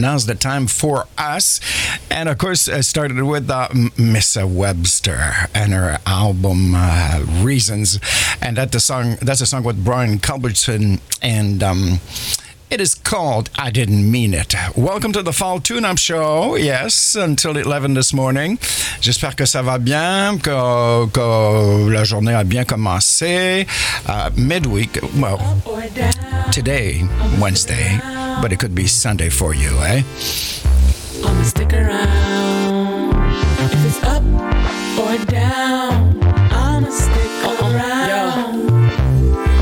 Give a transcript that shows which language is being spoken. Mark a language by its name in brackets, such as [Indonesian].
[English] Now's the time for us. And of course, it started with Miss Webster and her album Reasons. And that's a song with Brian Culbertson. And it is called I Didn't Mean It. Welcome to the Fall Tune-Up Show. Yes, until 11 this morning. [French] J'espère que ça va bien, que la journée a bien commencé. [English] Midweek, well, today, Wednesday, but it could be Sunday for you, eh? I'm gonna stick around. If it's up or down, I'm gonna stick around. Yeah.